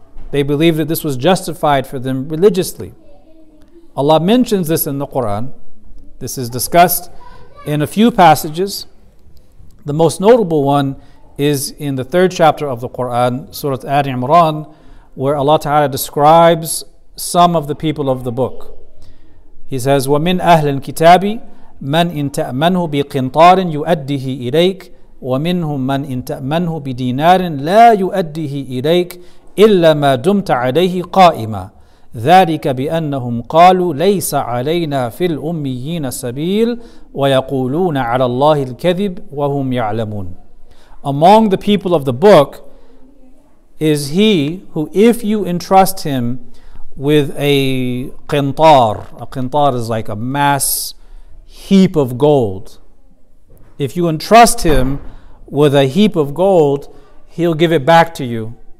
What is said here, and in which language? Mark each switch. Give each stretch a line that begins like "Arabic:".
English: They believed that this was justified for them religiously. Allah mentions this in the Quran. This is discussed in a few passages. The most notable one is in the third chapter of the Quran, Surah Ali Imran, where Allah Ta'ala describes some of the people of the book.
Arabic: He says, وَمِنْ أَهْلِ الْكِتَابِ مَنْ إِنْ تَأْمَنْهُ بِقِنْطَارٍ يُؤَدِّهِ إِلَيْكَ وَمِنْهُمْ مَنْ إِنْ تَأْمَنْهُ بِدِينَارٍ لَا يُؤَدِّهِ إِلَيْكَ إِلَّا مَا دُمْتَ عَلَيْهِ قَائِمًا ذلك بأنهم قالوا ليس علينا في الأميين سبيل ويقولون على الله الكذب وهم يعلمون.
English: Among the people of the book is he who, if you entrust him with a qintar is like a mass heap of gold. If you entrust him with a heap of gold, he'll give it back to you.